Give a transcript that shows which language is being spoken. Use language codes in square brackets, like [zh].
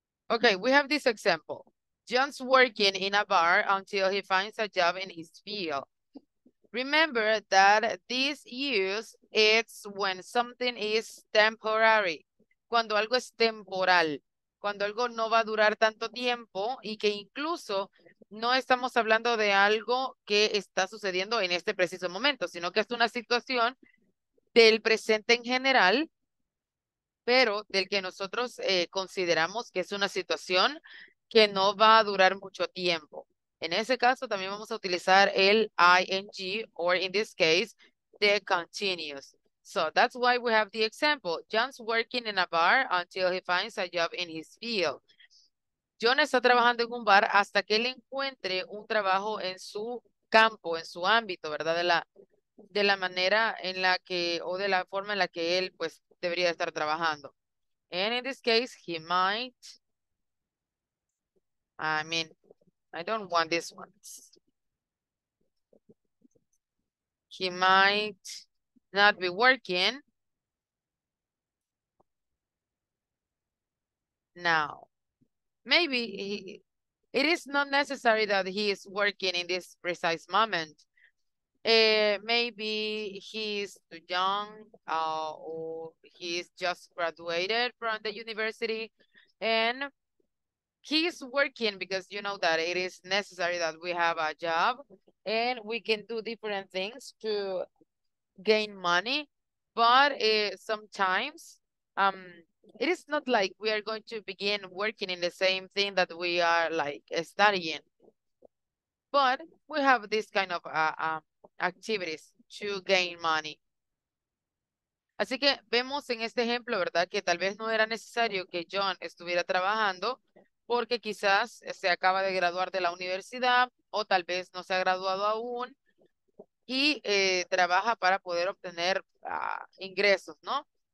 [en] Okay, we have this example. John's working in a bar until he finds a job in his field. Remember that this use is when something is temporary. [es] Cuando algo es temporal. Cuando algo no va a durar tanto tiempo y que incluso no estamos hablando de algo que está sucediendo en este preciso momento, sino que es una situación del presente en general, pero del que nosotros consideramos que es una situación que no va a durar mucho tiempo. En ese caso, también vamos a utilizar el ing, [en] or in this case, the continuous. So that's why we have the example. John's working in a bar until he finds a job in his field. [es] John está trabajando en un bar hasta que él encuentre un trabajo en su campo, en su ámbito, ¿verdad? De la manera en la que, o de la forma en la que él, pues, debería estar trabajando. [en] And in this case, he might, I mean, I don't want this one. He might not be working now. Maybe it is not necessary that he is working in this precise moment. Maybe he's too young, or he's just graduated from the university, and he's working because you know that it is necessary that we have a job, and we can do different things to gain money, but sometimes it is not like we are going to begin working in the same thing that we are like studying, but we have this kind of activities to gain money. [es] Así que vemos en este ejemplo, ¿verdad? Que tal vez no era necesario que John estuviera trabajando porque quizás se acaba de graduar de la universidad o tal vez no se ha graduado aún y trabaja para poder obtener ingresos, ¿no?